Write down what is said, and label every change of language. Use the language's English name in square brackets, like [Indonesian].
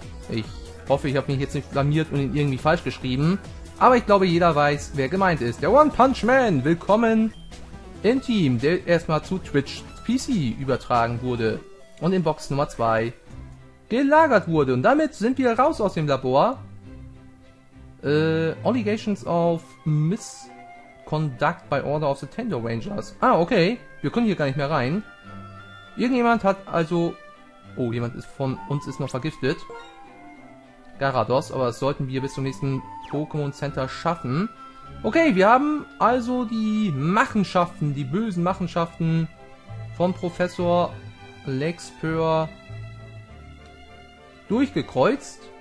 [German] Ich hoffe, ich habe mich jetzt nicht blamiert und ihn irgendwie falsch geschrieben. Aber ich glaube, jeder weiß, wer gemeint ist. Der One Punch Man, willkommen im Team, der erstmal zu Twitch PC übertragen wurde. Und in Box Nummer 2. Gelagert wurde. Und damit sind wir raus aus dem Labor. [English] Allegations of misconduct by order of the Tendo Rangers. [German] Ah, okay. Wir können hier gar nicht mehr rein. Irgendjemand hat also... Oh, jemand ist von uns ist noch vergiftet. Garados, aber das sollten wir bis zum nächsten Pokémon Center schaffen. Okay, wir haben also die Machenschaften, die bösen Machenschaften von Professor Larkspur durchgekreuzt.